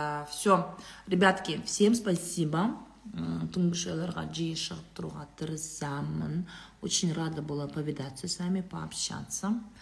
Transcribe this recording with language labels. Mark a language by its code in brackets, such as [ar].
[ru] Все, ребятки, всем спасибо. [kk] Тұңғышайларға жиі шығып тұруға тырысамын. [ru] Очень рада была повидаться с вами, пообщаться.